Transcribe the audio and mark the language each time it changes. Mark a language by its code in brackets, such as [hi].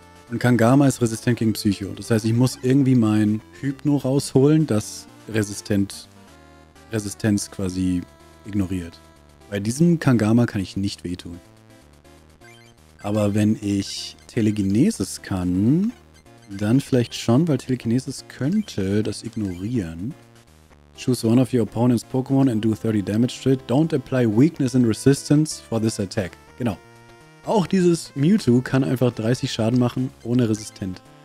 [de] Und Kangama ist resistent gegen Psycho. Das heißt, ich muss irgendwie mein Hypno rausholen, das Resistenz quasi ignoriert. Bei diesem Kangama kann ich nicht wehtun. Aber wenn ich Telekinesis kann, dann vielleicht schon, weil Telekinesis könnte das ignorieren. [en] Choose one of your opponent's Pokémon and do 30 damage to it. Don't apply weakness and resistance for this attack. [de] Genau. Auch dieses Mewtwo kann einfach 30 Schaden machen, ohne resistent.